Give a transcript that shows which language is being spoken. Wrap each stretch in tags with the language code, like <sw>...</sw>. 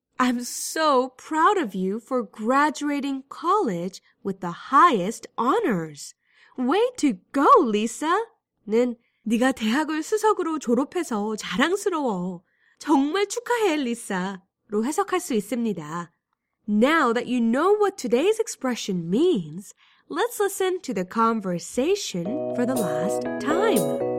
<en>I'm so proud of you for graduating college with the highest honors. Way to go, Lisa!</en> <ko>는 네가 대학을 수석으로 졸업해서 자랑스러워. 정말 축하해, Lisa! 로 해석할 수 있습니다.</ko> <en>Now that you know what today's expression means, let's listen to the conversation for the last time.</en>